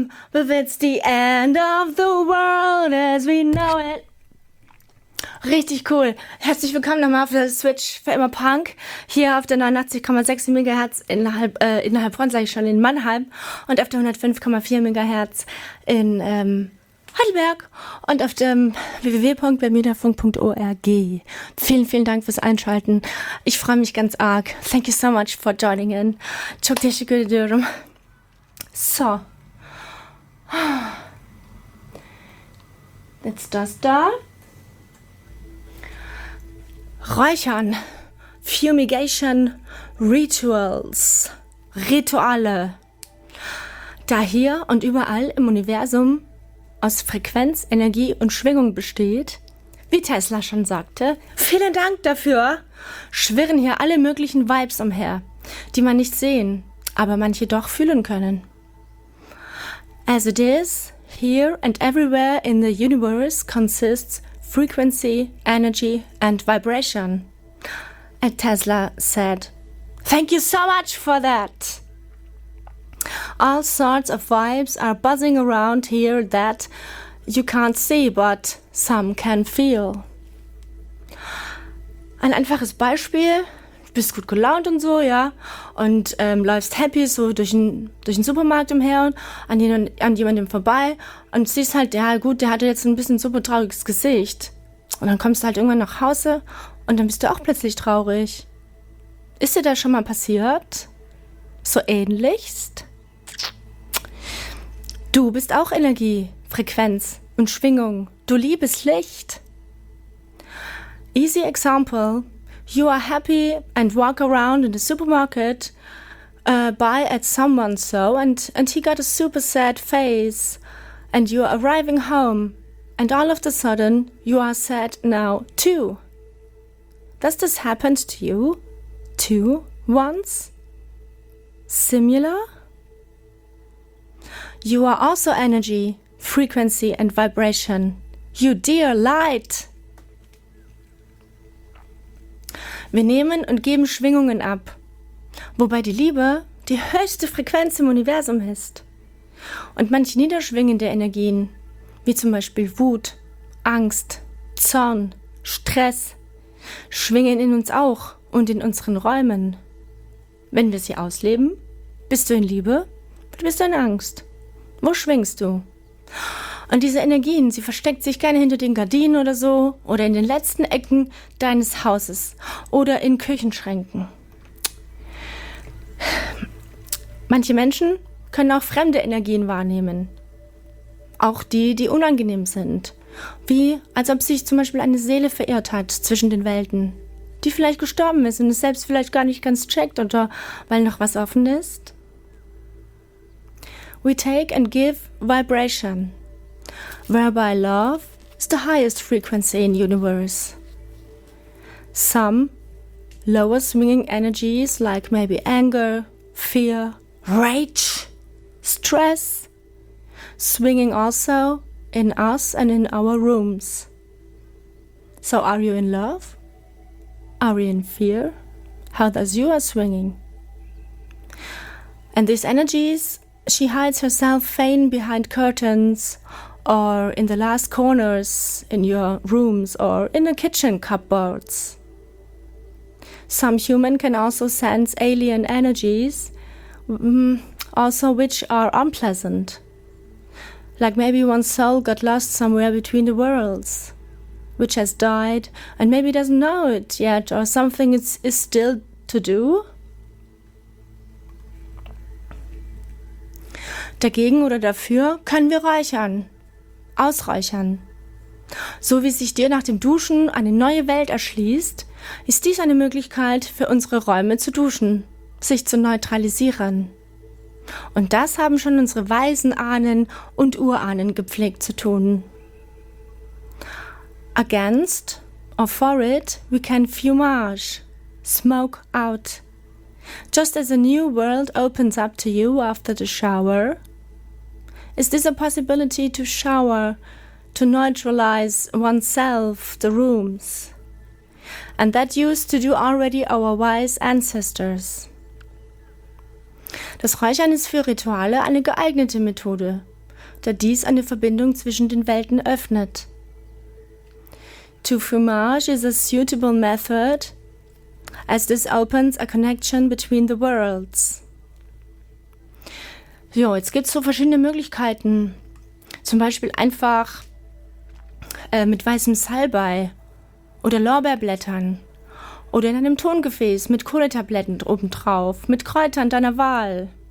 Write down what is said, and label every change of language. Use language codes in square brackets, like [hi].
[en] But it's the end of the world as we know it. [de] Richtig cool. Herzlich willkommen nochmal auf der Switch für immer Punk. Hier auf der 89,6 MHz in Heilbronn, sage ich schon, in Mannheim. Und auf der 105,4 MHz in Heidelberg. Und auf dem www.bermudafunk.org. Vielen, vielen Dank fürs Einschalten. Ich freue mich ganz arg. [en] Thank you so much for joining in. [tr] Çok teşekkür ediyorum. So. [de] Jetzt das da. Räuchern. [en] Fumigation Rituals. [de] Rituale. Da hier und überall im Universum aus Frequenz, Energie und Schwingung besteht, wie Tesla schon sagte, vielen Dank dafür, schwirren hier alle möglichen Vibes umher, die man nicht sehen, aber manche doch fühlen können. [en] As it is, here and everywhere in the universe consists frequency, energy and vibration. And Tesla said, thank you so much for that. All sorts of vibes are buzzing around here that you can't see, but some can feel. [de] Ein einfaches Beispiel. Du bist gut gelaunt und so, ja, und läufst happy so durch den Supermarkt umher und an jemandem vorbei und siehst halt, ja gut, der hatte jetzt ein bisschen super trauriges Gesicht. Und dann kommst du halt irgendwann nach Hause und dann bist du auch plötzlich traurig. Ist dir das schon mal passiert? So ähnlichst? Du bist auch Energie, Frequenz und Schwingung. Du liebes Licht. [en] Easy example. You are happy and walk around in the supermarket, buy at someone's so, and he got a super sad face, and you are arriving home, and all of a sudden, you are sad now too. Does this happen to you too once? Similar? You are also energy, frequency, and vibration. You dear light! [de] Wir nehmen und geben Schwingungen ab, wobei die Liebe die höchste Frequenz im Universum ist. Und manche niederschwingende Energien, wie zum Beispiel Wut, Angst, Zorn, Stress, schwingen in uns auch und in unseren Räumen. Wenn wir sie ausleben, bist du in Liebe oder bist du in Angst? Wo schwingst du? Und diese Energien, sie versteckt sich gerne hinter den Gardinen oder so oder in den letzten Ecken deines Hauses oder in Küchenschränken. Manche Menschen können auch fremde Energien wahrnehmen. Auch die, die unangenehm sind. Wie als ob sich zum Beispiel eine Seele verirrt hat zwischen den Welten, die vielleicht gestorben ist und es selbst vielleicht gar nicht ganz checkt oder weil noch was offen ist. [en] We take and give vibration, whereby love is the highest frequency in universe. Some lower swinging energies like maybe anger, fear, rage, stress, swinging also in us and in our rooms. So are you in love? Are you in fear? How does you are swinging? And these energies, she hides herself fain behind curtains or in the last corners in your rooms or in the kitchen cupboards. Some human can also sense alien energies, also which are unpleasant. Like maybe one soul got lost somewhere between the worlds, which has died and maybe doesn't know it yet, or something is still to do. [de] Dagegen oder dafür können wir räuchern, ausräuchern. So wie sich dir nach dem Duschen eine neue Welt erschließt, ist dies eine Möglichkeit für unsere Räume zu duschen, sich zu neutralisieren. Und das haben schon unsere weisen Ahnen und Urahnen gepflegt zu tun. [en] Against or for it, we can fumage, smoke out. Just as a new world opens up to you after the shower, is this a possibility to shower, to neutralize oneself, the rooms? And that used to do already our wise ancestors. [de] Das Räuchern ist für Rituale eine geeignete Methode, da dies eine Verbindung zwischen den Welten öffnet. [en] To fumage is a suitable method, as this opens a connection between the worlds. [de] Jo, jetzt gibt es so verschiedene Möglichkeiten. Zum Beispiel einfach mit weißem Salbei oder Lorbeerblättern. Oder in einem Tongefäß mit Kohletabletten obendrauf, mit Kräutern deiner Wahl.